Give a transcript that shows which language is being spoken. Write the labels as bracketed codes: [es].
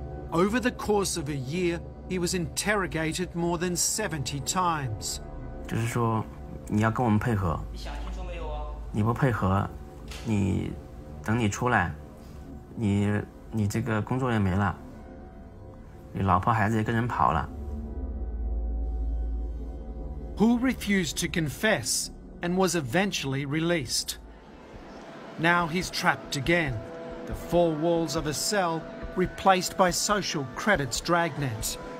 [en] Over the course of a year, he was interrogated more than 70 times. [zh] 就是说，你要跟我们配合。你不配合，你等你出来，你这个工作也没了，你老婆孩子也跟人跑了。Hu [en] refused to confess and was eventually released. Now he's trapped again, the four walls of a cell replaced by social credit's dragnet.